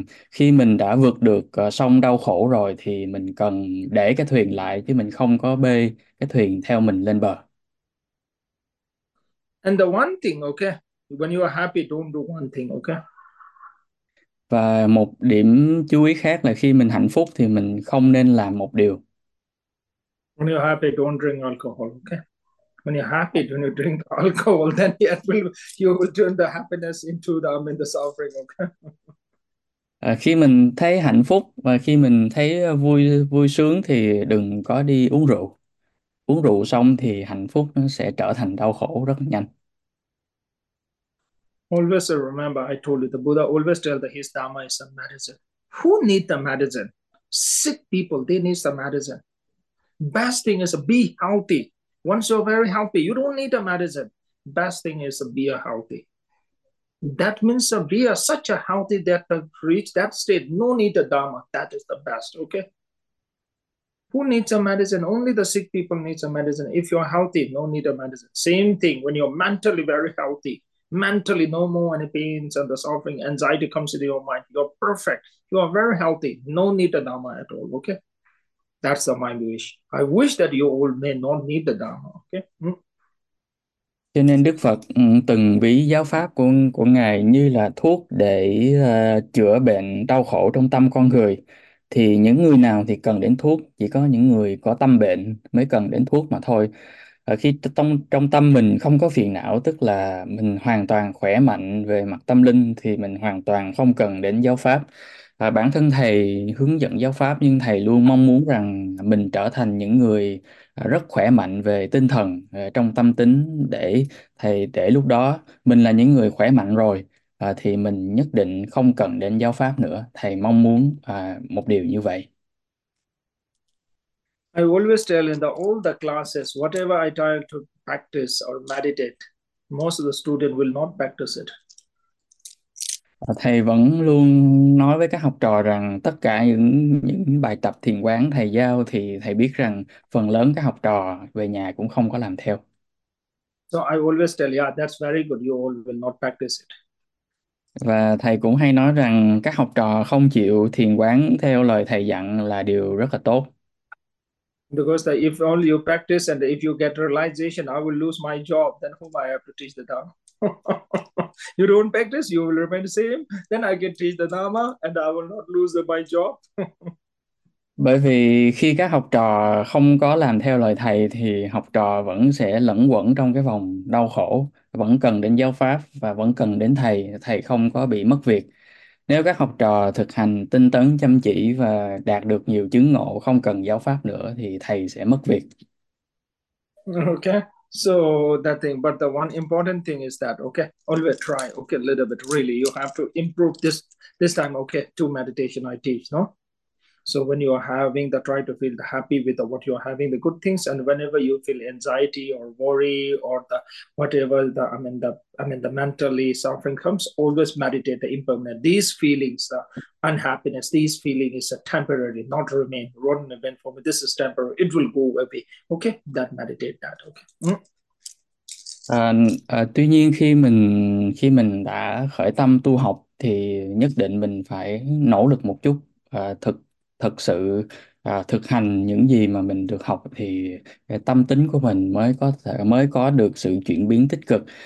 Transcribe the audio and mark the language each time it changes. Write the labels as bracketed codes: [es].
[vi] Khi mình đã vượt được sông đau khổ rồi thì mình cần để cái thuyền lại chứ mình không có bê cái thuyền theo mình lên bờ. [en] And the one thing, okay, when you are happy, don't do one thing, okay? [vi] Và một điểm chú ý khác là khi mình hạnh phúc thì mình không nên làm một điều. [en] When you're happy, don't drink alcohol, okay? When you're happy, don't you drink alcohol, then you will turn the happiness into the, the suffering, okay? [vi] Khi mình thấy hạnh phúc và khi mình thấy vui vui sướng thì đừng có đi uống rượu. Uống rượu xong thì hạnh phúc nó sẽ trở thành đau khổ rất nhanh. [en] Always remember, I told you, the Buddha always tell that his Dharma is a medicine. Who need the medicine? Sick people, they need the medicine. Best thing is be healthy. Once you're very healthy, you don't need a medicine. best thing is to be a healthy. That means to be a, such a healthy that to reach that state, no need a Dharma. That is the best, okay? Who needs a medicine? Only the sick people need a medicine. If you're healthy, no need a medicine. Same thing when you're mentally very healthy. Mentally, no more any pains and the suffering. Anxiety comes into your mind. You're perfect. You are very healthy. No need a Dharma at all, okay? That's my wish. I wish that you all may not need the Dharma, okay? [vi] Cho nên Đức Phật từng ví giáo pháp của Ngài như là thuốc để chữa bệnh đau khổ trong tâm con người. Thì những người nào thì cần đến thuốc, chỉ có những người có tâm bệnh mới cần đến thuốc mà thôi. Khi trong tâm mình không có phiền não, tức là mình hoàn toàn khỏe mạnh về mặt tâm linh, thì mình hoàn toàn không cần đến giáo pháp. Và bản thân Thầy hướng dẫn giáo pháp, nhưng Thầy luôn mong muốn rằng mình trở thành những người rất khỏe mạnh về tinh thần trong tâm tính, để thầy để lúc đó mình là những người khỏe mạnh rồi thì mình nhất định không cần đến giáo pháp nữa. Thầy mong muốn một điều như vậy. [en] I always tell in the, all the classes, whatever I try to practice or meditate, most of the students will not practice it. [vi] Thầy vẫn luôn nói với các học trò rằng tất cả những bài tập thiền quán thầy giao thì thầy biết rằng phần lớn các học trò về nhà cũng không có làm theo. [en] So I always tell, yeah, that's very good. You all will not practice it. [vi] Và thầy cũng hay nói rằng các học trò không chịu thiền quán theo lời thầy dặn là điều rất là tốt. [en] Because the, if only you practice and if you get realization, I will lose my job. Then whom I have to teach the Dharma? You don't practice, you will remain the same. Then I can teach the Dharma and I will not lose my job. [vi] Bởi vì khi các học trò không có làm theo lời thầy thì học trò vẫn sẽ lẩn quẩn trong cái vòng đau khổ, vẫn cần đến giáo pháp và vẫn cần đến thầy, thầy không có bị mất việc. Nếu các học trò thực hành tinh tấn chăm chỉ và đạt được nhiều chứng ngộ không cần giáo pháp nữa thì thầy sẽ mất việc. [en] Okay, so that thing, but the one important thing is that, okay, always try, okay, a little bit, really, you have to improve this time, okay, to meditation I teach, no? So when you are having the, try to feel happy with the, what you're having, the good things, and whenever you feel anxiety or worry or the, whatever the, I mean the mentally suffering comes, always meditate the impermanent. These feelings, the unhappiness, these feelings is a temporary, not remain, not an event for me. This is temporary. It will go away. Okay, that meditate that, okay. [vi] Tuy nhiên khi mình đã khởi tâm tu học thì nhất định mình phải nỗ lực một chút, thực sự thực hành những gì mà mình được học thì tâm tính của mình mới có được sự chuyển biến tích cực.